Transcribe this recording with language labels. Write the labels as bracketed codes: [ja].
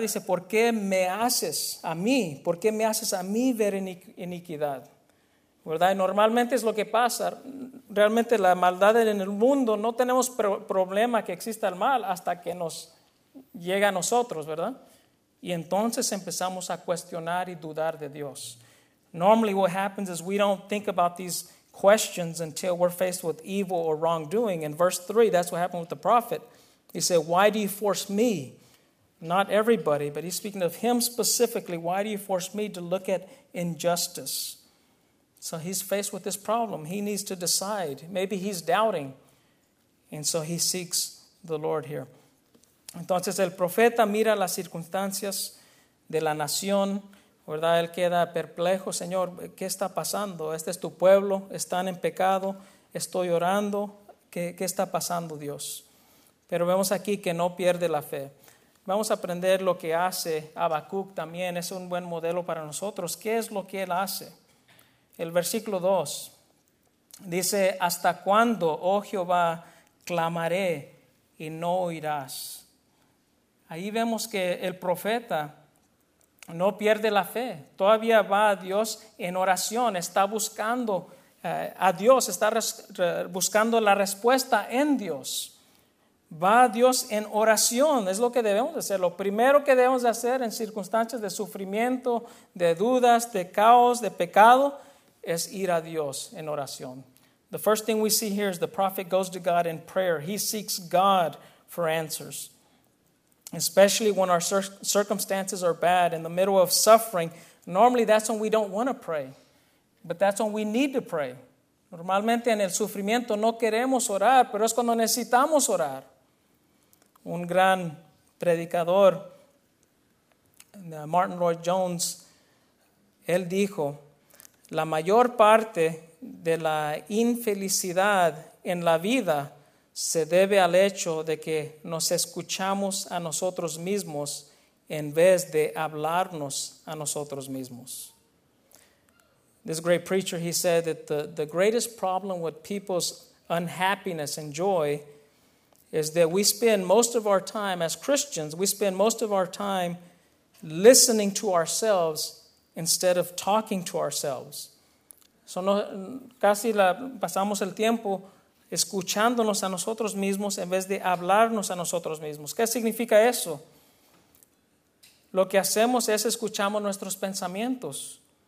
[es] Dice, ¿por qué me haces a mí? ¿Por qué me haces a mí ver iniquidad? ¿Verdad? Y normalmente es lo que pasa. Realmente la maldad en el mundo, no tenemos problema que exista el mal hasta que nos llega a nosotros, ¿verdad? Y entonces empezamos a cuestionar y dudar de Dios. [en] Normally what happens is we don't think about these questions until we're faced with evil or wrongdoing. In verse 3, that's what happened with the prophet. He said, why do you force me? Not everybody, but he's speaking of him specifically. Why do you force me to look at injustice? So he's faced with this problem. He needs to decide. Maybe he's doubting. And so he seeks the Lord here. [es] Entonces el profeta mira las circunstancias de la nación, ¿verdad? Él queda perplejo. Señor, ¿qué está pasando? Este es tu pueblo, están en pecado, estoy orando. ¿Qué está pasando, Dios? Pero vemos aquí que no pierde la fe. Vamos a aprender lo que hace Habacuc también. Es un buen modelo para nosotros. ¿Qué es lo que él hace? El versículo 2 dice, ¿hasta cuándo, oh Jehová, clamaré y no oirás? Ahí vemos que el profeta no pierde la fe. Todavía va a Dios en oración, está buscando a Dios, está buscando la respuesta en Dios. Va a Dios en oración, es lo que debemos hacer. Lo primero que debemos hacer en circunstancias de sufrimiento, de dudas, de caos, de pecado, es ir a Dios en oración. [en] The first thing we see here is the prophet goes to God in prayer. He seeks God for answers. Especially when our circumstances are bad, in the middle of suffering, normally that's when we don't want to pray. But that's when we need to pray. [es] Normalmente en el sufrimiento no queremos orar, pero es cuando necesitamos orar. Un gran predicador, Martin Lloyd Jones, él dijo, la mayor parte de la infelicidad en la vida se debe al hecho de que nos escuchamos a nosotros mismos en vez de hablarnos a nosotros mismos. This great preacher, he said that the greatest problem with people's unhappiness and joy is that we spend most of our time as Christians, we spend most of our time listening to ourselves instead of talking to ourselves. So no, casi la, pasamos el tiempo escuchándonos a nosotros mismos en vez de hablarnos a nosotros mismos. ¿Qué significa eso? Lo que hacemos es escuchamos nuestros pensamientos.